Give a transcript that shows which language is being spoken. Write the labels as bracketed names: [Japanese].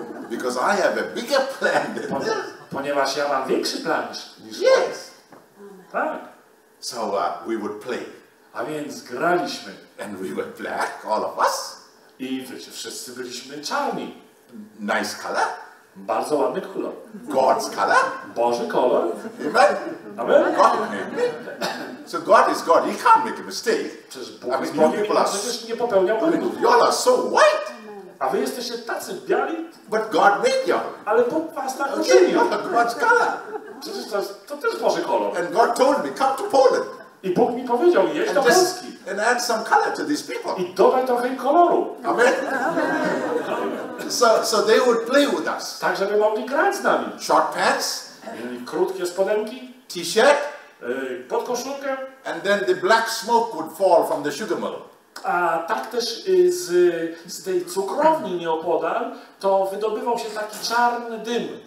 [English] Because I have a bigger plan than this. [Polish] Ponieważ ja mam większy plan niż [English] yes. [Polish] Tak. [English] So we would play. [Polish] A więc graliśmy. [English] And we were black, all of us. [Polish] I wiecie, wszyscy byliśmy czarni. [English] Nice color. [Polish] Bardzo ładny kolor. [English] God's color. [Polish] Boży kolor. [English] Amen. [Polish] Amen. [English] God, amen. So God is God. He can't make a mistake. [Polish] Przecież Bóg nie popełniał błędów. [English] Y'all are so white. [Polish] A wy jesteście tacy biali. [English] But God made you. [Polish] Ale Bóg was tak uczynił. [English] God's color. [Polish] Przecież to też Boży kolor. [English] And God told me, come to Poland. [Polish] I Bóg mi powiedział, jeźdź do Polski. [English] And add some color to these people. [Polish] I dodaj trochę im koloru. [English] Amen. So they would play with us. [Polish] Tak, żeby mogli grać z nami. [English] Short pants. [Polish] Krótkie spodenki. [English] T-shirt. [Polish] Pod koszulkę. [English] And then the black smoke would fall from the sugar mill. [Polish] A tak też z tej cukrowni nieopodal, to wydobywał się taki czarny dym.